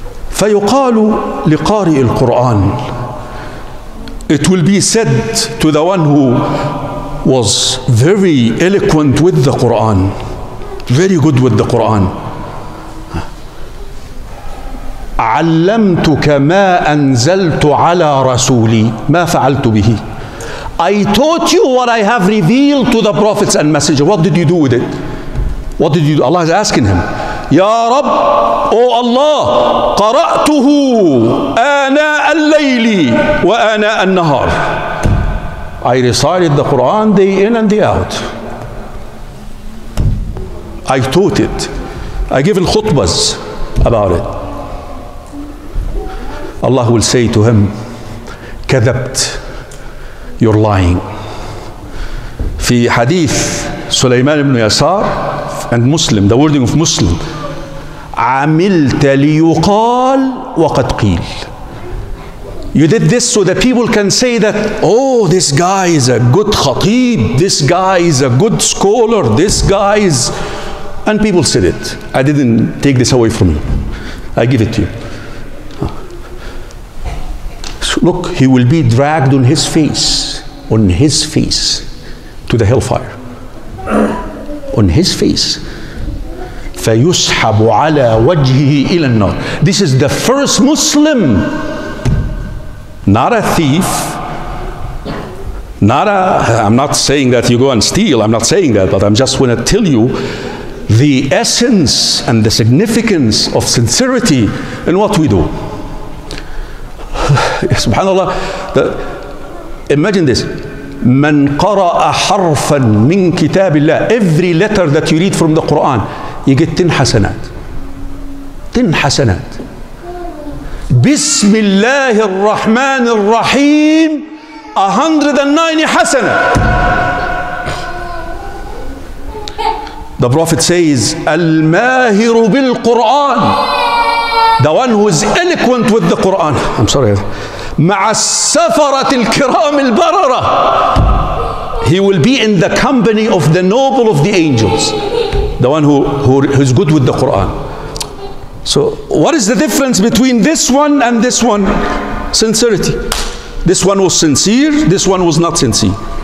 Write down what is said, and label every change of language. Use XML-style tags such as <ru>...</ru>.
<ar>فيقال لقارئ القرآن,</ar> <en>it will be said to the one who was very eloquent with the Quran, very good with the Quran.</en> <ar>علمتك ما أنزلت على رسولي. ما فعلت به.</ar> <en>I taught you what I have revealed to the prophets and messengers. What did you do with it? What did you do? Allah is asking him.</en> <ar>يا رب,</ar> <en>O Allah,</en> <ar>قرأته آناء الليل وآناء النهار.</ar> <en>I recited the Quran day in and day out. I taught it. I gave khutbas about it. Allah will say to him,</en> <ar>كذبت.</ar> <en>You're lying.</en> <ar>في حديث سليمان بن يسار</ar> <en>and Muslim, the wording of Muslim,</en> <ar>عملت ليقال وقد قيل.</ar> <en>You did this so the people can say that, oh, this guy is a good khatib, this guy is a good scholar, this guy is, and people said it. I didn't take this away from you. I give it to you. Look, he will be dragged on his face, to the hellfire. On his face.</en> <ar>فَيُسْحَبُ عَلَى وَجْهِهِ إِلَى النَّارِ.</ar> <en>This is the first Muslim, not a thief, not a, I'm not saying that you go and steal, I'm not saying that, but I'm just going to tell you the essence and the significance of sincerity in what we do. Subhanallah, imagine this.</en> <ar>من قرأ حرفا من كتاب الله.</ar> <en>Every letter that you read from the Quran, you get 10 حسنات.</en> <ar>10 حسنات. بسم الله الرحمن الرحيم, 109 حسنة.</ar> <en>The Prophet says,</en> <ar>الماهر بالقرآن.</ar> <en>The one who is eloquent with the Quran. I'm sorry.</en> <ar>مع السفرة الكرام البررة.</ar> <en>He will be in the company of the noble of the angels. The one who is good with the Quran. So what is the difference between this one and this one? Sincerity. This one was sincere, this one was not sincere.</en>